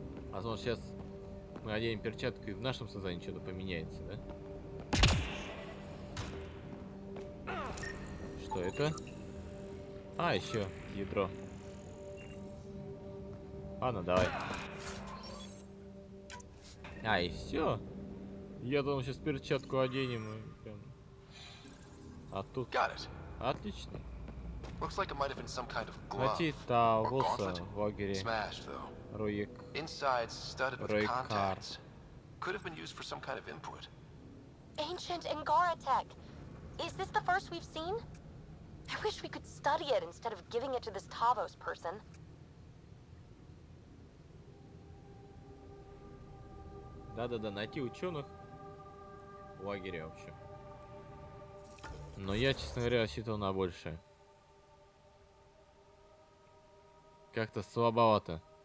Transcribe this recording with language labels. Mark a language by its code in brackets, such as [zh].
[ru] Возможно, сейчас мы оденем перчатку, и в нашем сознании что-то поменяется, да? Что это? А, еще ядро. Ладно, давай. А, и все? Я думал, сейчас перчатку оденем и прям... А тут... Отлично. [en] Looks like it might have been some kind of glove or gauntlet. Smashed though. Ruik. Inside studded with Ruikar. Contacts. Could have been used for some kind of input. Ancient Angara tech. Is this the first we've seen? I wish we could study it instead of giving it to this Tavos person. [ru] Да-да-да, найти ученых в лагере вообще. Но я, честно говоря, рассчитывал на большее. Как-то слабовато.